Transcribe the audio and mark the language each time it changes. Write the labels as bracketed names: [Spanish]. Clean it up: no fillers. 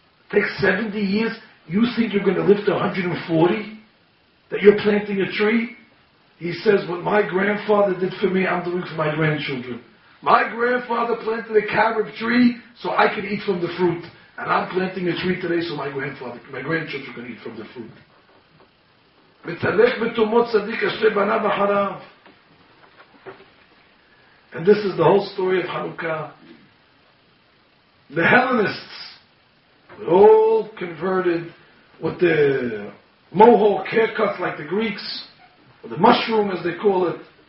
[English] It takes 70 years? You think you're going to live to 140? That you're planting a tree? He says, what my grandfather did for me, I'm doing for my grandchildren. My grandfather planted a carob tree so I could eat from the fruit. And I'm planting a tree today so my grandchildren can eat from the fruit. [Hebrew] מתהלך בתומות צדיק אשרי בניו אחריו. [English] And this is the whole story of Hanukkah. The Hellenists all converted with the mohawk haircuts like the Greeks, or the mushroom as they call it.